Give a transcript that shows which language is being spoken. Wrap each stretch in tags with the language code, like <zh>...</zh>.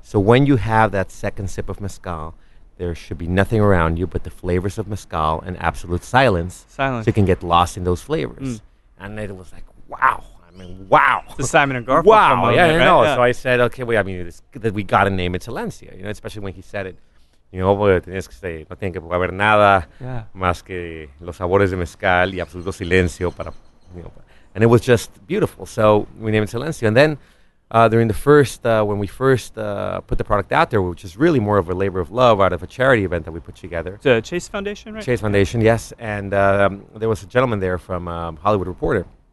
<en>So when you have that second sip of mezcal, there should be nothing around you but the flavors of mezcal and absolute silence. Silence. So you can get lost in those flavors. Mm. And it was like, wow. I mean, wow. The Simon and Garfunkel. Wow. Yeah, I know. Yeah. So I said, okay, well, I mean, we got to name it Silencio, you know, especially when he said it. You know,</en> <es>tienes que</es> <en>say,</en> <es>no tiene que haber nada más que los sabores de mezcal y absoluto silencio para,</es> <en>you know. And it was just beautiful. So we named it Silencio. And then during the first, when we first put the product out there, which is really more of a labor of love out of a charity event that we put together. The Chase Foundation, right? Chase Foundation, yes. And there was a gentleman there from Hollywood Reporter.</en>